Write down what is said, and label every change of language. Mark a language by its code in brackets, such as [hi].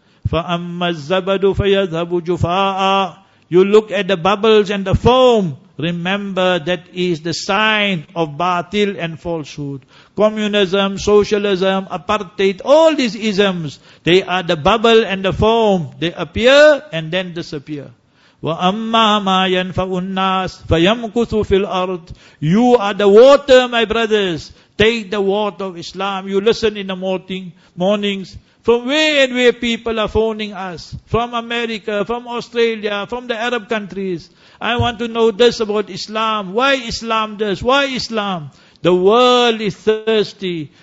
[ar] فَأَمَّا الزَّبَدُ فَيَذْهَبُ جُفَاءً. [en] You look at the bubbles and the foam. Remember that is the sign of batil and falsehood. Communism, socialism, apartheid, all these isms, they are the bubble and the foam. They appear and then disappear. [ar] وَأَمَّا مَا يَنْفَعُ النَّاسِ فَيَمْكُثُ فِي الْأَرْضِ [en] You are the water, my brothers. Take the water of Islam. You listen in the mornings. From where and where people are phoning us. From America, from Australia, from the Arab countries. I want to know this about Islam. Why Islam this? Why Islam? The world is thirsty.